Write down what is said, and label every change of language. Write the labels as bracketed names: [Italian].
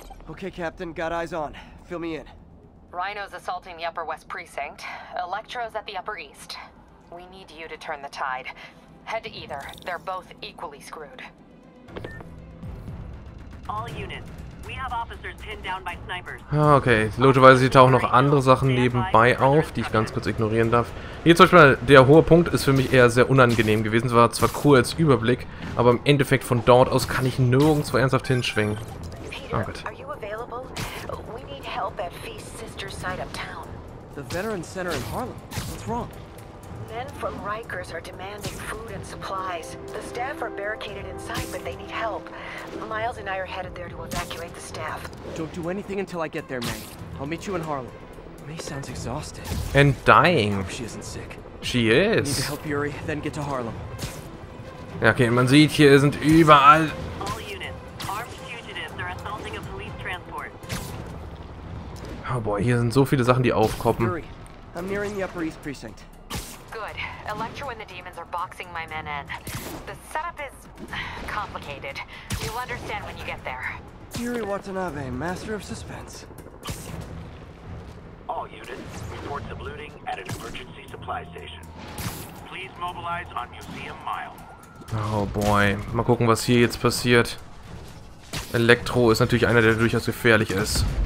[English] Okay, Captain, got eyes on. Fill me in. Rhino's assaulting the Upper West Precinct. Electro's at the Upper East. We need you to turn the tide. Head to either. They're both equally screwed. All units, we have officers pinned down by snipers. [German] Okay, logischerweise hier tauchen noch andere Sachen nebenbei auf, die ich ganz kurz ignorieren darf. Hier zum Beispiel der hohe Punkt ist für mich eher sehr unangenehm gewesen. Es war zwar cool als Überblick, aber im Endeffekt von dort aus kann ich nirgendwo ernsthaft hinschwingen. Oh Gott. [English] Are you available? We need help at Feast Sister's side of town. The Veterans Center in Harlem. What's wrong? Men from Rikers are demanding food and supplies. The staff are barricaded inside, but they need help. Miles and I are headed there to evacuate the staff. Don't do anything until I get there, May. I'll meet you in Harlem. May sounds exhausted. And dying. I hope she isn't sick. She is. Need to help Yuri, then get to Harlem. [German] Okay, man sieht, hier sind überall... [English] All units, armed fugitives are assaulting a police transport. Oh boy, [German] hier sind so viele Sachen, die aufkoppen. [English] Yuri, I'm nearing the Upper East Precinct. Good. Electro and the demons are boxing my men in. The setup is complicated. You'll understand when you get there. Yuri Watanabe, master of suspense. All units, reports of looting at an emergency supply station. Please mobilize on Museum Mile. Oh boy. [German] Mal gucken, was hier jetzt passiert. Electro ist natürlich einer, der durchaus gefährlich ist.